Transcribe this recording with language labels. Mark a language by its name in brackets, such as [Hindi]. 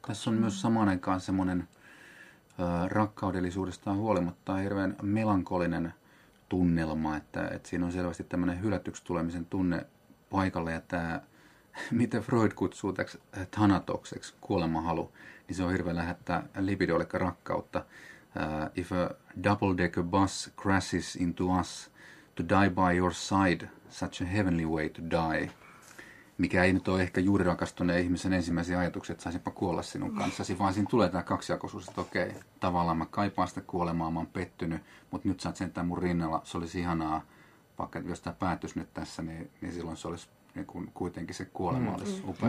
[Finnish] Tässä on myös saman aikaan semmoinen rakkaudellisuudestaan huolimatta hirveän melankolinen tunnelma, että siinä on selvästi tämmöinen hylätyksi tulemisen tunne paikalla, ja tämä, mitä Freud kutsuu täksi thanatokseksi, kuolemahalu, niin se on hirveän lähettää libidolle rakkautta. [English] If a double-decker bus crashes into us, to die by your side, such a heavenly way to die. [Finnish] Mikä ei nyt ole ehkä juuri rakastuneen ihmisen ensimmäisiä ajatuksia, että saisinpa kuolla sinun kanssasi, vaan siinä tulee tämä kaksijakoisuus, että okei, tavallaan mä kaipaan sitä kuolemaa, mä oon pettynyt, mutta nyt sä oot sentään mun rinnalla, se olisi ihanaa, vaikka jos tämä päätös nyt tässä, niin silloin se olisi niin kuin, kuitenkin se kuolema olisi upea.